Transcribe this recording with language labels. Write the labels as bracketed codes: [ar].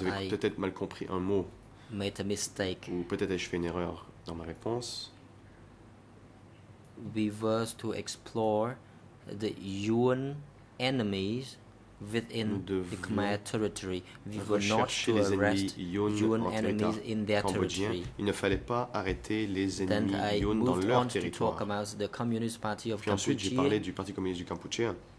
[fr] Donc vous avez peut-être mal compris un mot. [en] Made a mistake. [fr] Ou peut-être ai-je fait une erreur dans ma réponse. [en] We were to explore the Yuan enemies within the Khmer territory. We were not to arrest Yuan enemies in their territory. [fr] Il ne fallait pas arrêter les ennemis Yuan dans leur territoire. Puis ensuite, j'ai parlé du Parti communiste du Kampuchea.